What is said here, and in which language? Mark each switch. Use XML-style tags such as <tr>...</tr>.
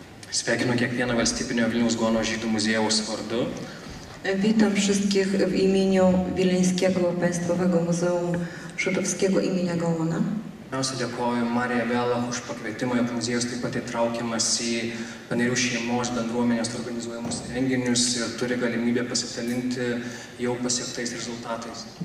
<lt>Sveikinu kiekvieną valstybinio Vilniaus Gaono Žydų muziejaus vardu.</lt> <pl>Witam wszystkich w imieniu Wileńskiego Państwowego Muzeum Żydowskiego imienia Gaona.</pl> <lt>Pirmiausia, dėkuoju Marija Vela už pakvietimą, jog muziejus taip pat įtraukiamas į panerių šeimos bendruomenės organizuojamus renginius ir turi galimybę pasidalinti jau pasiektais rezultatais.</lt>